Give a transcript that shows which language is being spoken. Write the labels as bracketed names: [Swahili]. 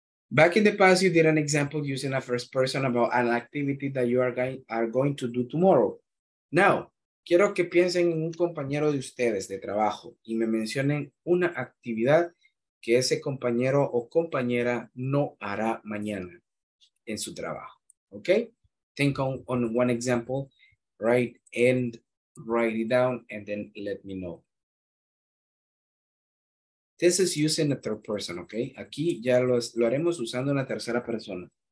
[English] Back in the past, you did an example using a first person about an activity that you are going to do tomorrow. [Spanish] Now, quiero que piensen en un compañero de ustedes de trabajo y me mencionen una actividad que ese compañero o compañera no hará mañana en su trabajo, okay? [English] Think on one example, right? And write it down and then let me know. This is using a third person, okay? [Spanish] Aquí ya lo haremos usando una tercera persona.